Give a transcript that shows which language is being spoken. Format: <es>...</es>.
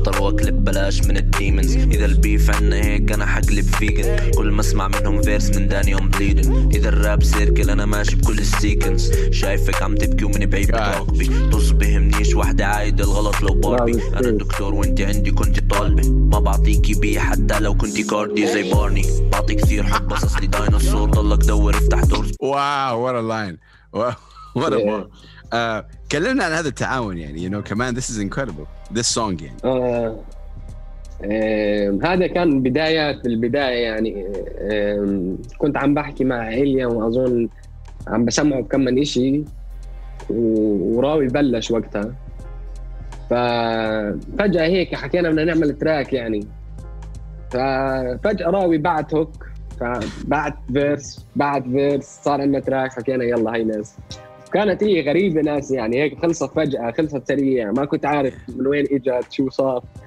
<ar>كلب بلاش من الديمنز اذا البيف عنا هيك انا حقلب فيجن كل ما اسمع منهم فيرس من دانيوم بليدن اذا الراب سيركل انا ماشي بكل السيكنس شايفك عم تبكي ومن بعيد بتراقبي تصبه منيش واحدة عايدة الغلط لو باربي انا الدكتور وانت عندي كنت طالبة ما بعطيكي بي حتى لو كنت كاردي زي بارني بعطي كثير حب بس اصلي ديناصور ضلك دور افتح دورز</ar> <en>wow what a line what a bar</en> <ar>كلمنا عن هذا التعاون يعني</ar> <en>you know كمان this is incredible this song يعني</en> <ar>هذا كان بدايات البداية يعني كنت عم بحكي مع إيليا وأظن عم بسمعه بكم من إشي وراوي بلش وقتها ففجأة هيك حكينا بدنا نعمل تراك يعني ففجأة راوي بعت هوك فبعت فيرس صار عندنا تراك حكينا يلا هاي ناس كانت هي غريبة ناس يعني هيك خلصت فجأة خلصت سريع ما كنت عارف من وين إجت شو صار</ar>